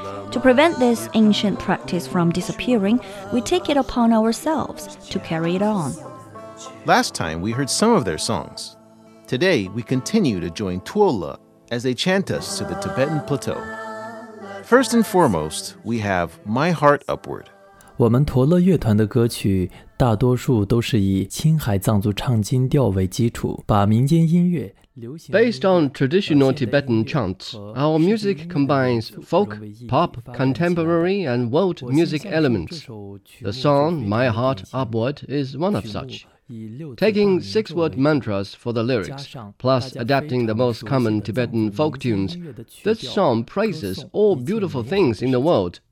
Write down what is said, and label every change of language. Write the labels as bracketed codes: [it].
[en] To prevent this ancient practice from disappearing, we take it upon ourselves to carry it on. Last time, we heard some of their songs. Today, we continue to join Tuola as they chant us to the Tibetan Plateau. First and foremost, we have My Heart Upward. [zh] 我们陀乐乐团的歌曲大多数都是以青海藏族唱经调为基础，把民间音乐流行。 [en] Based on traditional Tibetan chants, our music combines folk, pop, contemporary, and world music elements. The song My Heart Upward is one of such. Taking six-word mantras for the lyrics, plus adapting the most common Tibetan folk tunes, this song praises all beautiful things in the world.